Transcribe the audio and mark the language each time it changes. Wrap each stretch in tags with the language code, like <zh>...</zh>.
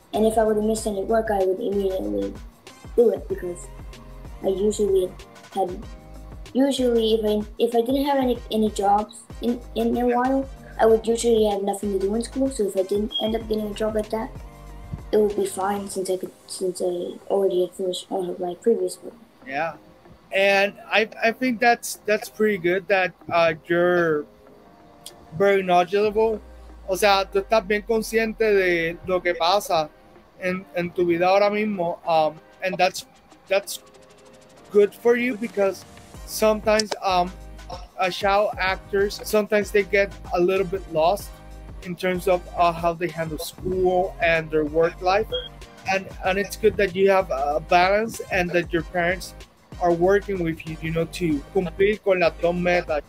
<en>And if I were to miss any work, I would immediately do it, because I usually if I didn't have any jobs in a while, I would usually have nothing to do in school. So if I didn't end up getting a job like that, it would be fine, since I already had finished all of my previous work. Yeah. And I think that's pretty good that you're very knowledgeable.</en> <es>O sea, tú estás bien consciente de lo que pasa en tu vida ahora mismo.</es> <en>And that's good for you, because sometimes child actors, sometimes they get a little bit lost in terms of how they handle school and their work life. And it's good that you have a balance and that your parents are working with you, you know, to cumplir con las dos metas.</en>